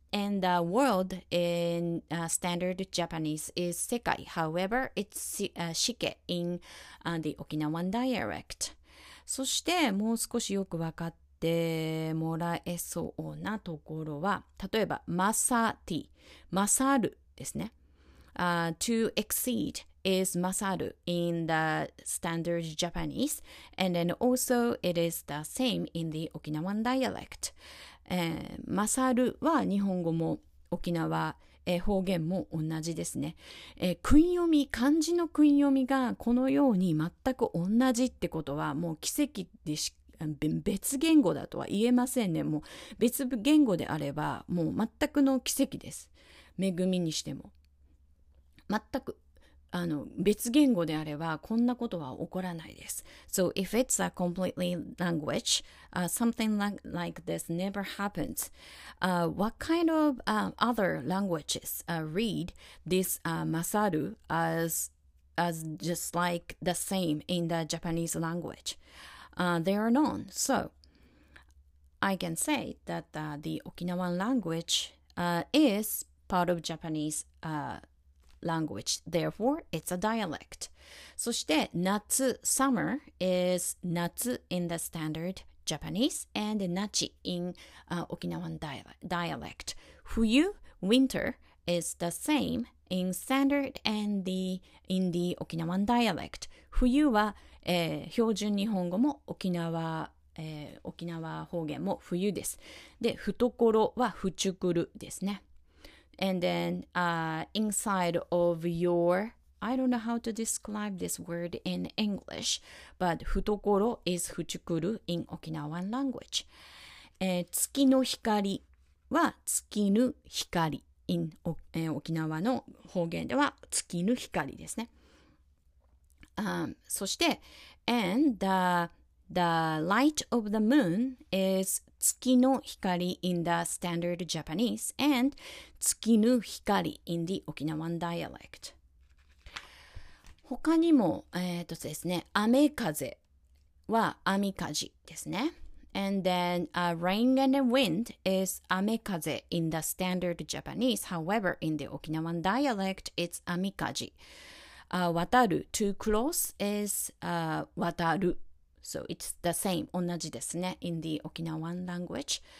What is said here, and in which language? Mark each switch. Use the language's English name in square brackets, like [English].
[English] And the world in、standard Japanese is 世界。 However, it's しけ in、the Okinawan dialect. [Japanese] そして、もう少しよくわかってでもらえそうなところは、例えば、勝るですね。 [English] To exceed is 勝る in the standard Japanese. And then also it is the same in the Okinawan dialect.、 [Japanese] 勝るは日本語も沖縄、方言も同じですね。訓読み、漢字の訓読みがこのように全く同じってことはもう奇跡でしか別言語だとは言えませんね。もう別言語であればもう全くの奇跡です。恵みにしても全く別言語であればこんなことは起こらないです。 [English] So if it's a completely language、something like this never happens、what kind of、other languages、read this、masaru as just like the same in the Japanese languageThere are none. So, I can say that、the Okinawan language、is part of Japanese、 language. Therefore, it's a dialect. そして夏 summer is 夏 in the standard Japanese and 夏 in 沖縄 dialect. 冬 winter is the same in standard and in the 沖縄 dialect. [Japanese] 冬は、標準日本語も沖縄沖縄方言も冬です。で、懐はふちくるですね。 [English] And then, inside of your, I don't know how to describe this word in English, but 懐 is ふちくる in Okinawan language. [Japanese] 月の光は月ぬ光 in 沖縄の方言では月ぬ光ですね。 [English] そして、The light of the moon is 月の光 in the standard Japanese and 月の光 in the Okinawan dialect. [Japanese] 他にも、ですね、雨風は雨風ですね。 [English] And then, rain and wind is 雨風 in the standard Japanese. However, in the Okinawan dialect, it's 雨風。渡る to cross is 渡る。 So it's the same, [Japanese] 同じですね [English] in the Okinawan language.